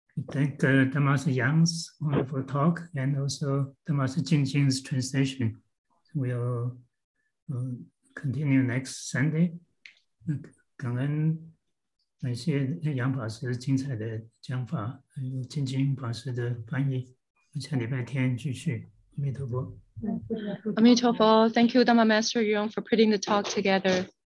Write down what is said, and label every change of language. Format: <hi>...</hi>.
<en>Thank Thomas Yang's wonderful talk and also Thomas Jingjing's translation. We'll continue next Sunday.</en> <zh>感恩那些杨法师精彩的讲法，还有金晶法师的翻译。下礼拜天继续。阿弥陀佛。</zh> <en>阿弥陀佛。Thank you, Dhamma Master Yong, for putting the talk together.</en>